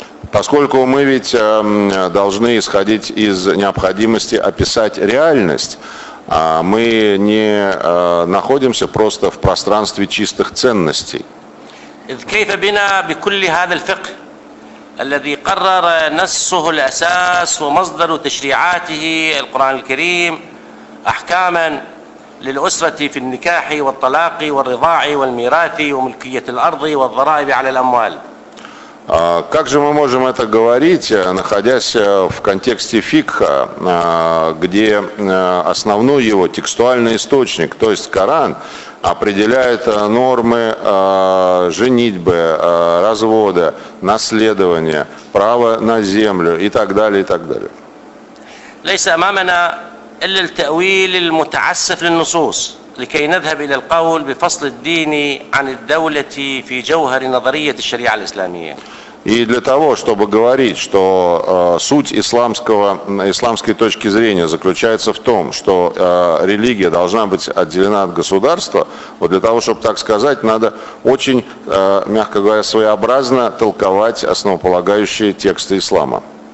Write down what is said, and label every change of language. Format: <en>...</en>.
<ru>Поскольку мы ведь должны исходить из необходимости описать реальность, а мы не находимся просто в пространстве чистых ценностей.</ru> <ar>إذ كيف بنا بكل هذا الفقه الذي قرر نصه الأساس ومصدر تشريعاته القرآن الكريم أحكاما للأسرة في النكاح والطلاق والرضاع والميراث وملكية الأرض والضرائب على الأموال.</ar> <ru>Как же мы можем это говорить, находясь в контексте фикха, где основной его текстуальный источник, то есть Коран, определяет нормы женитьбы, развода, наследования, право на землю и так далее, и так далее.</ru> <ar>ليس أمامنا إلا التأويل المتعسف للنصوص لكي نذهب إلى القول بفصل الدين عن الدولة في جوهر نظرية الشريعة الإسلامية.</ar> <ru>И для того, чтобы говорить, что суть исламской точки зрения заключается в том, что религия должна быть отделена от государства, вот для того, чтобы так сказать, надо очень, мягко говоря, своеобразно толковать основополагающие тексты ислама.</ru>